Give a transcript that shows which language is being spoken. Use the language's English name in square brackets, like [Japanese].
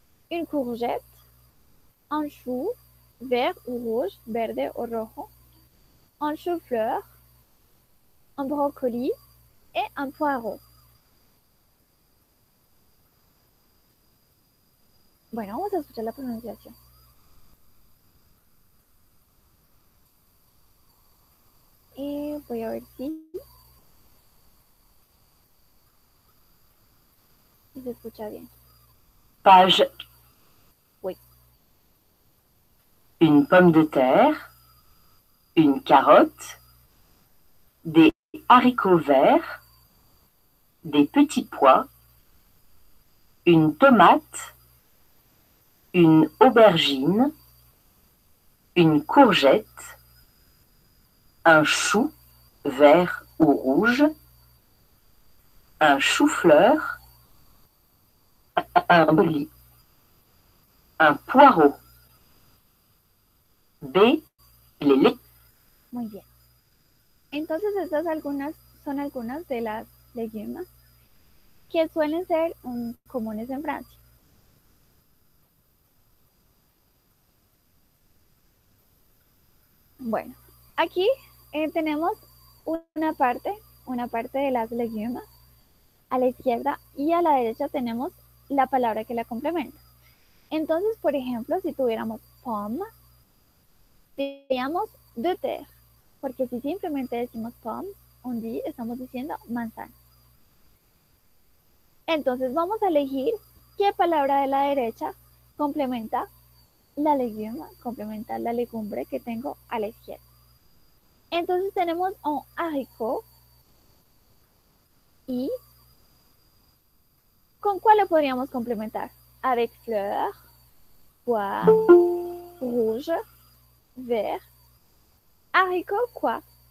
[French] Une courgette, un chou, vert ou rouge, [Spanish] verde o rojo, [French] un chou-fleur, un brocoli et un poireau. [Spanish] Bueno, vamos a escuchar la pronunciación. Voy a ver si escucha bien. [French] Page. Oui. Une pomme de terre, une carotte, des haricots verts, des petits pois, une tomate, une aubergine, une courgette, un chou vert ou rouge, un chou-fleur, un brocoli, un poireau. B, les légumes. [Spanish] Muy bien. Entonces, estas algunas son algunas de las legumes que suelen ser comunes en Francia. Bueno, aquí tenemos una parte de las legumes. A la izquierda y a la derecha tenemos la palabra que la complementa. Entonces, por ejemplo, si tuviéramos pomme, diríamos de terre. Porque si simplemente decimos pomme, un día estamos diciendo manzana. Entonces vamos a elegir qué palabra de la derecha complementa la legume, complementa la legumbre que tengo a la izquierda. Entonces tenemos un haricot. ¿Y con cuál lo podríamos complementar? [French] Avec fleur, pois, rouge, vert. [Spanish] ¿Haricot o cuá?